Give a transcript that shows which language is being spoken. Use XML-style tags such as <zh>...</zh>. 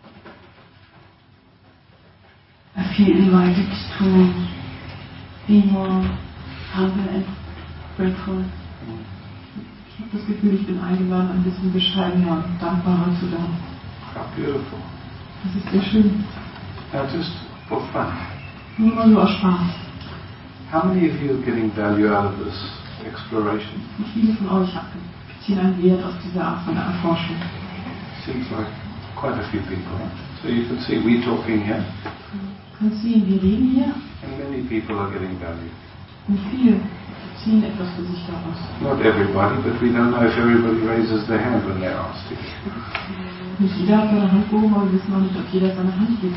<en>I feel invited to be more humble and grateful.</en> <de>Das Gefühl, ich bin eingeladen, ein bisschen bescheidener und dankbarer zu sein.</de> <en>Beautiful.</en> <de>Das ist sehr schön.</de> <en>Now just for fun.</en> <de>Nur mal so aus Spaß.</de> <en>How many of you are getting value out of this exploration?</en> <de>Wie viele von euch ziehen einen Wert aus dieser Art von Erforschung?</de> <en>Seems like quite a few people. So you can see, we're talking here.</en> <de>Kannst sehen, wir reden hier.</de> <en>And many people are getting value.</en> <de>Und viele. Ziehen etwas für sich daraus.</de> <en>Not everybody, but we don't know if everybody raises their hand when they're asked to.</en> <de>Nicht jeder hat seine Hand oben, aber wir wissen auch nicht, ob jeder seine Hand gibt.</de>